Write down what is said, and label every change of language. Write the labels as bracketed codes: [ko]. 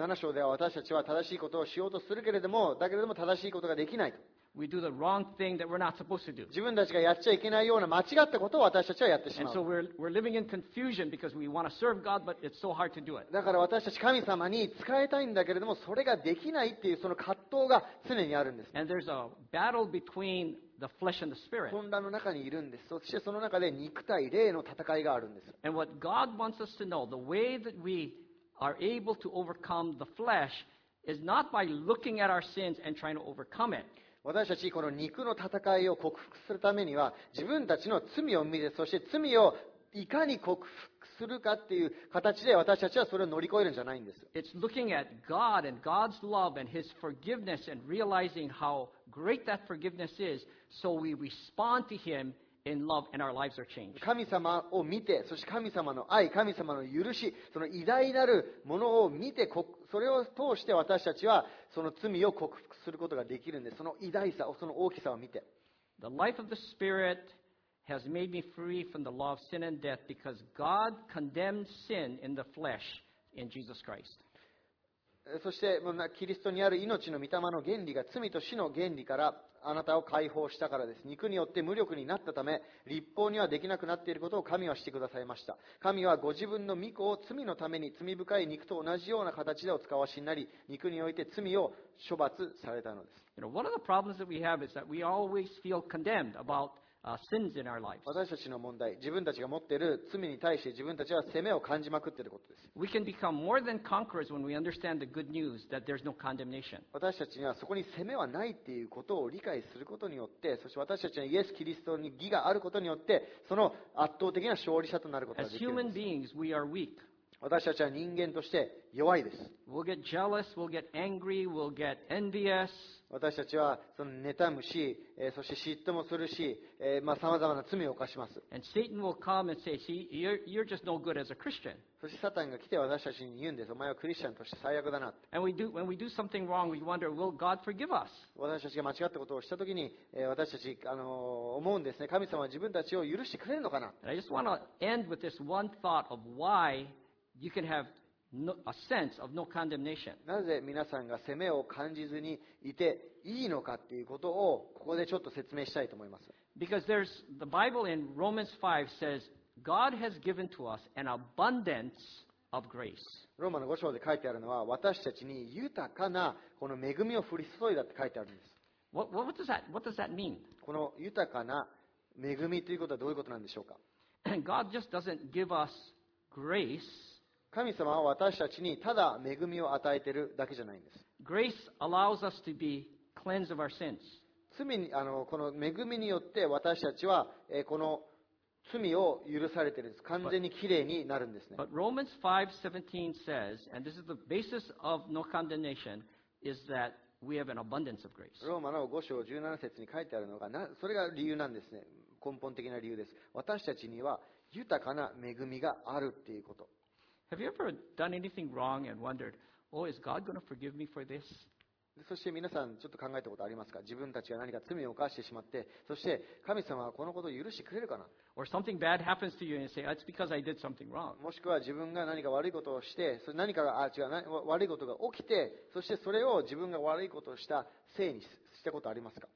[ja] 7章では私たちは正しいことをしようとするけれども、だけれども正しいことができないと。 [en] We do the wrong thing that we're not supposed to do. [ja] 自分たちがやっちゃいけないような間違ったことを私たちはやってしまう。 [en] And so we're living in confusion because we want to serve God, but it's so hard to do it. [ja] だから私たち神様に仕えたいんだけれども、それができないっていうその葛藤が常にあるんです。 [en] And there's a battle between the flesh and the spirit. [ja] 混乱の中にいるんです。そしてその中で肉対霊の戦いがあるんです。 [en] And what God wants us to know, the way that we are able to overcome the flesh is not by looking at our sins and trying to overcome it. [ja] 私たちこの肉の戦いを克服するためには自分たちの罪を見て、そして罪をいかに克服するかっていう形で私たちはそれを乗り越えるんじゃないんです。 [en] It's looking at God and God's love and His forgiveness and realizing how great that forgiveness is, so we respond to Him in love and our lives are changed. [ja] 神様を見て、そして神様の愛、神様の許し、その偉大なるものを見て、それを通して私たちはその罪を克服することができるんです。その偉大さ、その大きさを見て。 [en] The life of the Spirit has made me free from the law of sin and death because God condemned sin in the flesh in Jesus Christ. [ja] そしてキリストにある命の御霊の原理が罪と死の原理からあなたを解放したからです。肉によって無力になったため、立法にはできなくなっていることを神はしてくださいました。神はご自分の御子を罪のために罪深い肉と同じような形でお使わしになり、肉において罪を処罰されたのです。 [en] You know, one of the problems that we have is that we always feel condemned about sins in our lives. [ja] 私たちの問題、自分たちが持っている罪に対して自分たちは責めを感じまくっていることです。 [en] We can become more than conquerors when we understand the good news that there's no condemnation. [ja] 私たちにはそこに責めはないっていうことを理解することによって、そして私たちにイエス・キリストに義があることによって、その圧倒的な勝利者となることができるんです。 [en] As human beings, we are weak. [ja] 私たちは人間として弱いです。 [en] We'll get jealous, we'll get angry, we'll get envious. [ja] 私たちはその妬むし、そして嫉妬もするし、さまざまな罪を犯します。 [en] And Satan will come and say, see, you're just no good as a Christian. [ja] そしてサタンが来て私たちに言うんです。お前はクリスチャンとして最悪だな。 [en] And when we do something wrong, we wonder, will God forgive us? [ja] 私たちが間違ったことをしたときに、私たち、思うんですね。神様は自分たちを許してくれるのかな。 [en] And I just want to end with this one thought of why you can haveA sense of no condemnation. [ja] なぜ皆さんが責めを感じずにいていいのかっていうことをここでちょっと説明したいと思います。 [en] Because there's the Bible in Romans 5 says God has given to us an abundance of grace. [ja] ローマの5章で書いてあるのは私たちに豊かなこの恵みを降り注いだって書いてあるんです。 [en] What does that mean? [ja] この豊かな恵みということはどういうことなんでしょうか。 [en] God just doesn't give us grace. [ja] 神様は私たちにただ恵みを与えているだけじゃないんです。 [en] Grace allows us to be cleansed of our sins. [ja] 罪に、この恵みによって私たちは、この罪を許されているんです。完全にきれいになるんですね。 [en] But Romans 5:17 says, and this is the basis of no condemnation, is that we have an abundance of grace. [ja] ローマの5章17節に書いてあるのが、それが理由なんですね。根本的な理由です。私たちには豊かな恵みがあるっていうこと。 [en] Have you ever done anything wrong and wondered, oh, is God going to forgive me for this? [ja] そして皆さんちょっと考えたことありますか？自分たちが何か罪を犯してしまって、そして神様はこのことを許してくれるかな？ [en] Or something bad happens to you and say, "That's because I did something wrong." [ja] もしくは自分が何か悪いことをして、それ何かが悪いことが起きて、そしてそれを自分が悪いことをしたせいにしたことありますか？